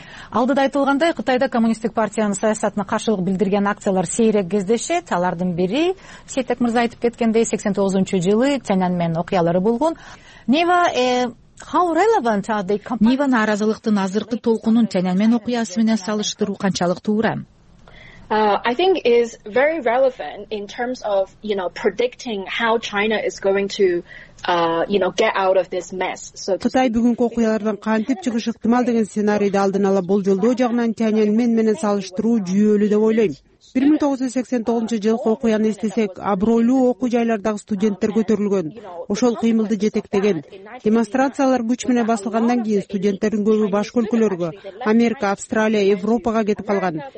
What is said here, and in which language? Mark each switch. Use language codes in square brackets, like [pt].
[ky] Алдыда айтылгандай, Кытайда Коммунисттик партиянын саясатына каршылык билдирген акциялар сейрек кездешет. Алардын бири, Сейтек мырза айтып кеткендей, 89-жу жылы Тяньаньмен окуялары болгон. [en] Нева, how relevant are they? [ky] Нева нааразылыктын азыркы толкунун Тяньаньмен окуясы менен салыштыруу канчалык туура? [en] I think is very relevant in terms of, you know, predicting how China is going to get out of this mess. So [ky] Кытай бүгүнкү окуялардан кантип чыгыш ыктымал деген сценарийди алдын ала болжолдоо жагынан Тяньаньмен менен салыштыруу жүйөлүү деп ойлойм. 1989 жылкы окуяны эстесек, абройлуу окуу жайлардагы студенттер көтөрүлгөн, ошол кыймылды жетектеген. Демонстрациялар күч менен басылгандан кийин студенттердин көбү башка өлкөлөргө, Америка, Австралия, Европага кетип калган.